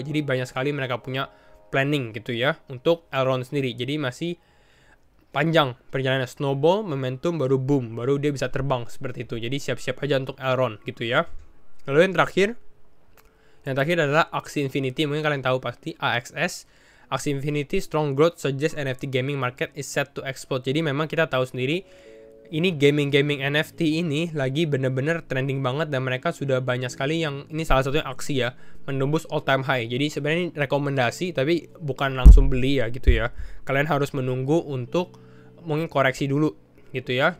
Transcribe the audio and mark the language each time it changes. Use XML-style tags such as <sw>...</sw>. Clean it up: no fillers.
<id>Jadi banyak sekali mereka punya planning gitu ya untuk Elrond sendiri. Jadi masih panjang perjalanan, snowball, momentum, baru boom, baru dia bisa terbang seperti itu. Jadi siap-siap aja untuk Elrond gitu ya. Lalu yang terakhir adalah Axie Infinity. Mungkin kalian tahu pasti AXS.</id> <en>Axie Infinity strong growth suggest NFT gaming market is set to explode.</en> <id>Jadi memang kita tahu sendiri, ini gaming-gaming NFT ini lagi benar-benar trending banget dan mereka sudah banyak sekali yang, ini salah satunya Axie ya, menembus all time high. Jadi sebenarnya ini rekomendasi tapi bukan langsung beli ya gitu ya. Kalian harus menunggu untuk mungkin koreksi dulu gitu ya.</id>